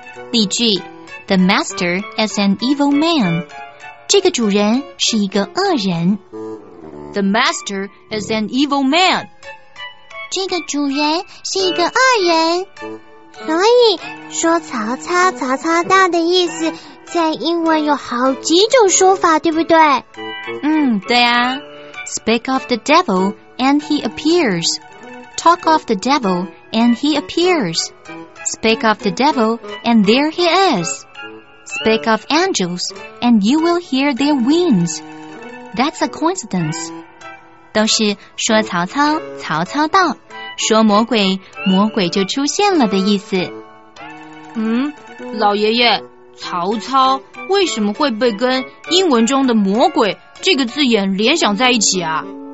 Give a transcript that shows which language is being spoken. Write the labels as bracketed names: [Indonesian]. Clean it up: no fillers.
[Chinese] 例句 [English] The master is an evil man， [Chinese] 这个主人是一个恶人。 [English] The master is an evil man， [Chinese] 这个主人是一个恶人。所以说曹操，曹操到的意思在英文有好几种说法，对不对？对啊。 [English] Speak of the devil and he appears， Talk of the devil and he appears， Speak of the devil and there he is， Speak of angels and you will hear their wings。 That's a coincidence。 [Chinese] 都是说曹操，曹操到，说魔鬼，魔鬼就出现了的意思。老爷爷，曹操为什么会被跟英文中的魔鬼这个字眼联想在一起啊？